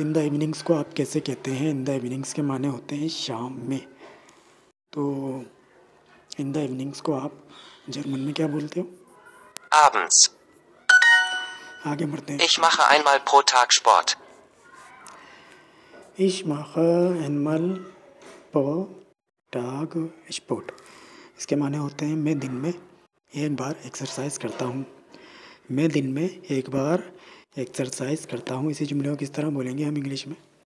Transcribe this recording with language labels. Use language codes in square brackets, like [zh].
[en] In the evenings [hi] को आप कैसे कहते हैं? [en] In the evenings [hi] के माने होते हैं शाम में। तो [en] in the evenings [hi] को आप जर्मन में क्या बोलते हो? [de] Abends. [hi] आगे बढ़ते हैं। [de] Ich mache einmal pro Tag Sport. Ich mache einmal pro Tag Sport. [hi] इसके माने होते हैं मैं दिन में एक बार एक्सरसाइज करता हूँ। मैं दिन में एक बार एक्सरसाइज करता हूँ, इसी जुमले को किस तरह बोलेंगे हम इंग्लिश में?